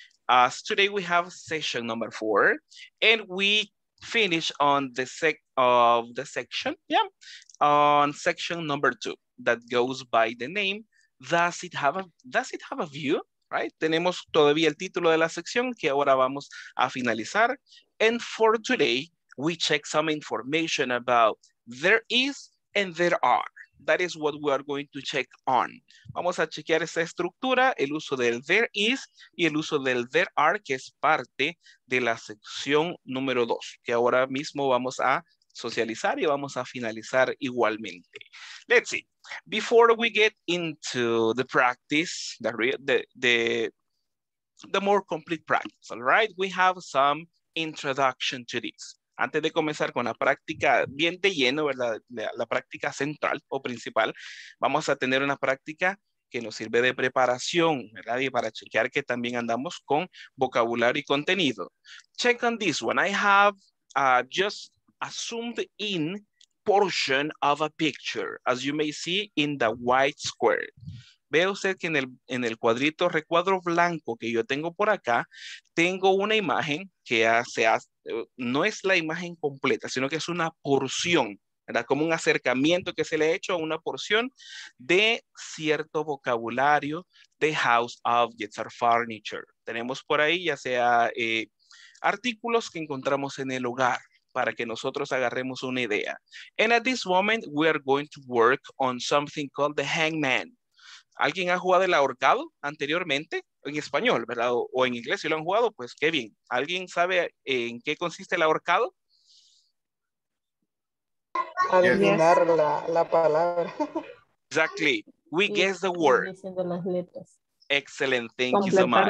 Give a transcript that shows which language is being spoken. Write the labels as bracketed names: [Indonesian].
[English] As today we have session number 4 and we finish on the section, yeah? On section number 2 that goes by the name, Does it have a view? Right? [Spanish] Tenemos todavía el título de la sección que ahora vamos a finalizar. [English] And for today, we check some information about there is and there are. That is what we are going to check on. [Spanish] Vamos a chequear esa estructura, el uso del there is y el uso del there are, que es parte de la sección número 2, que ahora mismo vamos a socializar y vamos a finalizar igualmente. [English] Let's see. Before we get into the practice, the more complete practice, all right? We have some introduction to this. [Spanish] Antes de comenzar con la práctica bien de lleno, ¿verdad? La práctica central o principal, vamos a tener una práctica que nos sirve de preparación, ¿verdad? Y para chequear que también andamos con vocabulario y contenido. [English] Check on this one. I have just a zoomed in portion of a picture, as you may see in the white square. [Spanish] Ve usted que en el cuadrito, recuadro blanco que yo tengo por acá, tengo una imagen que no es la imagen completa, sino que es una porción, ¿verdad? Como un acercamiento que se le ha hecho a una porción de cierto vocabulario de [English] house objects or furniture. [Spanish] Tenemos por ahí ya sea artículos que encontramos en el hogar, para que nosotros agarremos una idea. [English] And at this moment, we are going to work on something called the hangman. [Spanish] ¿Alguien ha jugado el ahorcado anteriormente? En español, ¿verdad? O en inglés, si lo han jugado, pues qué bien. ¿Alguien sabe en qué consiste el ahorcado? Adivinar la palabra. [English] Exactly. We guess the word. [Spanish] Diciendo las letras. [English] Excellent. Thank you so much.